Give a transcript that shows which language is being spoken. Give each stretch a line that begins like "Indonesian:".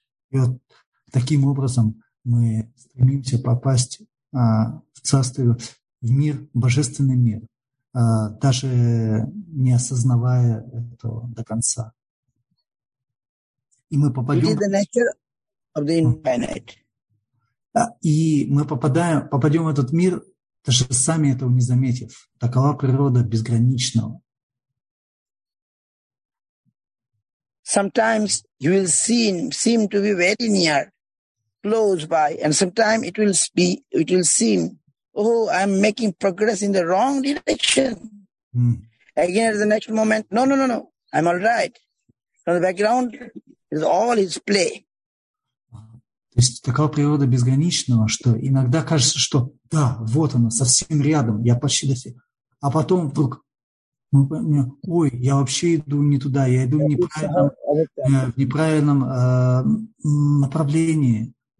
Russian: И вот таким образом мы стремимся попасть в царство, в мир, в божественный мир, даже не осознавая этого до конца. И мы попадем...
English: It is the nature of the infinite.
Russian: И мы попадем в этот мир даже сами этого не заметив. Такова природа безграничного.
English: Sometimes you will seem to be very near, close by, and sometimes it will seem, oh, I'm making progress in the wrong direction. Again, at the next moment, no, I'm all right. From the background, it's all his play.
Russian: То есть такова природа безграничного, что иногда кажется, что да, вот оно, совсем рядом, я почти достиг. А потом вдруг, ой, я вообще иду не туда, я иду в неправильном направлении.